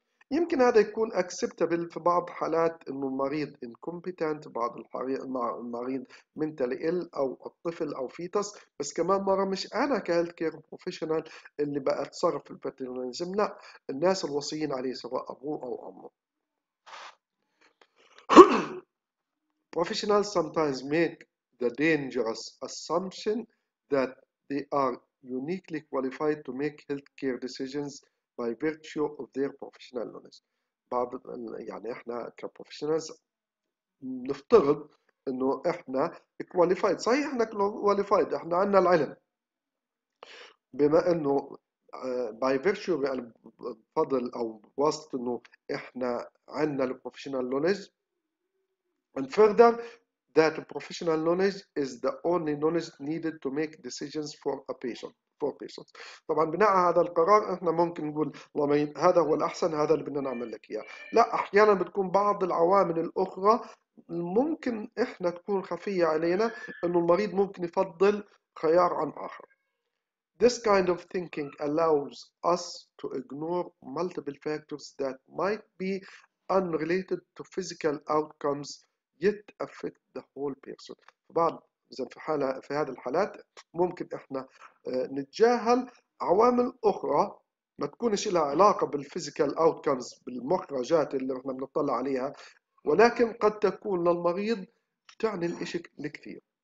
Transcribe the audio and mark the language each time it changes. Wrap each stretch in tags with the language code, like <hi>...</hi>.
<ar>يمكن هذا يكون acceptable في بعض حالات انه المريض incompetent، بعض المريض</ar> <en>mentally ill</en> <ar>او الطفل او fetus، بس كمان مرة مش انا كهيلث كير بروفيشنال اللي بتصرف في الباترناليزم، لا، الناس الوصيين عليه سواء ابوه او امه.</ar> <en>Professionals sometimes make the dangerous assumption that they are uniquely qualified to make healthcare decisions by virtue of their professional knowledge.</en> <ar>بعض يعني احنا كبروفيشنالز نفترض انه احنا qualified، صحيح احنا qualified، احنا عندنا العلم، بما انه</ar> <en>by virtue of</en> <ar>بفضل او بواسطة انه احنا عندنا</ar> <en>professional knowledge. And further, that professional knowledge is the only knowledge needed to make decisions for a patient. For patients.</en> <ar>طبعا بناء على هذا القرار احنا ممكن نقول هذا هو الاحسن، هذا اللي بدنا نعمل لك اياه. لا، احيانا بتكون بعض العوامل الاخرى ممكن احنا تكون خفيه علينا، انه المريض ممكن يفضل خيار عن اخر.</ar> <en>This kind of thinking allows us to ignore multiple factors that might be unrelated to physical outcomes yet affect the whole person.</en> <ar>بعض مثلا في حاله في هذه الحالات ممكن احنا نتجاهل عوامل اخرى ما تكونش لها علاقه بالفيزيكال اوتكمز، بالمخرجات اللي احنا بنطلع عليها، ولكن قد تكون للمريض تعني الاشي الكثير.</ar>